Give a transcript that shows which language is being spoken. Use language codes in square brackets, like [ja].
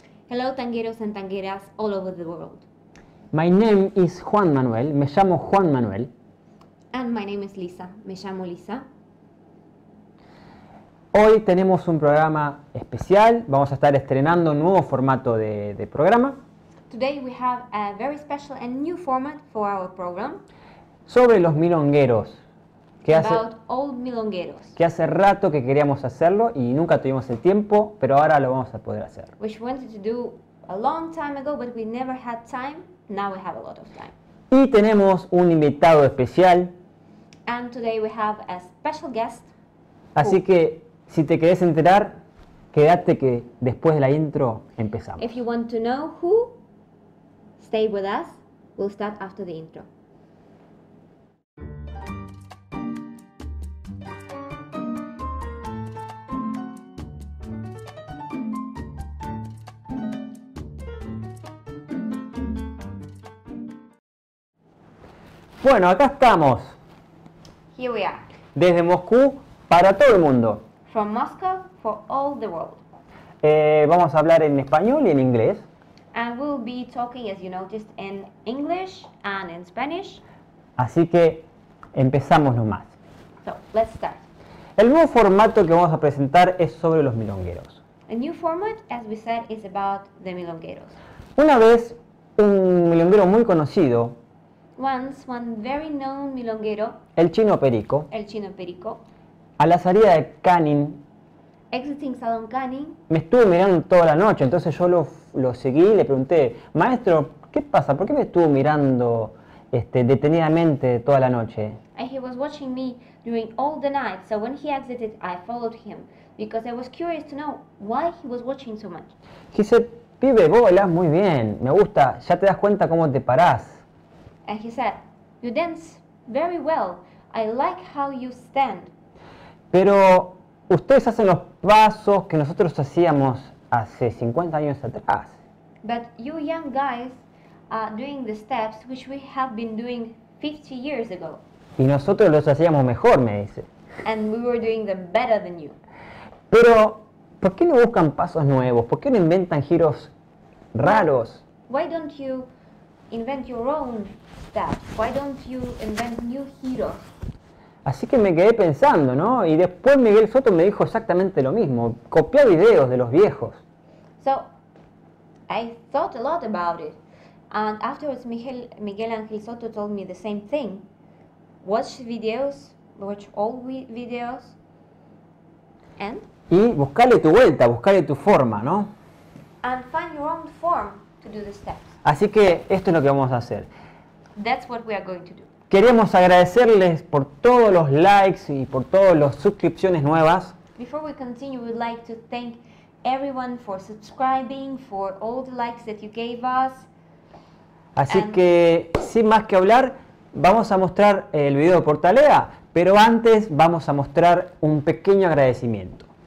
[en] Hello, tangueros and tangueras all over the world. My name is Juan Manuel, [es] me llamo Juan Manuel. [en] And my name is Lisa, [es] me llamo Lisa. Hoy tenemos un programa especial, vamos a estar estrenando un nuevo formato de programa. [en] Today we have a very special and new format for our program. [es] Sobre los milongueros. [en] About old milongueros. [es] Que hace rato que queríamos hacerlo y nunca tuvimos el tiempo, pero ahora lo vamos a poder hacer. [en] Which we wanted to do a long time ago, but we never had time. Now we have a lot of time. [es] Y tenemos un invitado especial. [en] And today we have a special guest. [es] Así que, si te querés enterar, quédate que después de la intro empezamos. [en] If you want to know who, stay with us. We'll start after the intro. [es] Bueno, acá estamos. [en] Here we are. [es] Desde Moscú para todo el mundo. [en] From Moscow for all the world. [es] Vamos a hablar en español y en inglés. [en] And we'll be talking, as you noticed, in English and in Spanish. [es] Así que empezamos nomás. [en] So, let's start. [es] El nuevo formato que vamos a presentar es sobre los milongueros. [en] A new format, as we said, is about the milongueros. [es] Una vez, un milonguero muy conocido. [en] Once, one very known milonguero. [es] El chino Perico. [en] El chino Perico. [es] A la salida de Canning. [en] Exiting Salón Canning. [es] Me estuvo mirando toda la noche, entonces yo lo seguí y le pregunté, maestro, ¿qué pasa? ¿Por qué me estuvo mirando detenidamente toda la noche? [en] And he was watching me during all the night, so when he exited, I followed him because I was curious to know why he was watching so much. He said, [es] pibe, vos volás muy bien, me gusta, ya te das cuenta cómo te parás. [en] And he said, you dance very well. I like how you stand. [es] Pero ustedes hacen los pasos que nosotros hacíamos hace 50 años atrás. [en] But you young guys are doing the steps which we have been doing 50 years ago. [es] Y nosotros los hacíamos mejor, me dice. [en] And we were doing them better than you. [es] Pero, ¿por qué no buscan pasos nuevos? ¿Por qué no inventan giros raros? [en] Why don't you invent your own steps? Why don't you invent new giros? [es] Así que me quedé pensando, ¿no? Y después Miguel Soto me dijo exactamente lo mismo. Copia videos de los viejos. [en] So, I thought a lot about it. And afterwards, Miguel Ángel Soto told me the same thing. Watch videos, watch old videos. And? [es] Y buscale tu vuelta, buscale tu forma, ¿no? [en] And find your own form to do the steps. [es] Así que esto es lo que vamos a hacer. [en] That's what we are going to do. [es] Queremos agradecerles por todos los likes y por todas las suscripciones nuevas. [en] Before we continue, we'd like to thank everyone for subscribing, for all the likes that you gave us. [es] Así and que, sin más que hablar, vamos a mostrar el video de Portalea, pero antes vamos a mostrar un pequeño agradecimiento.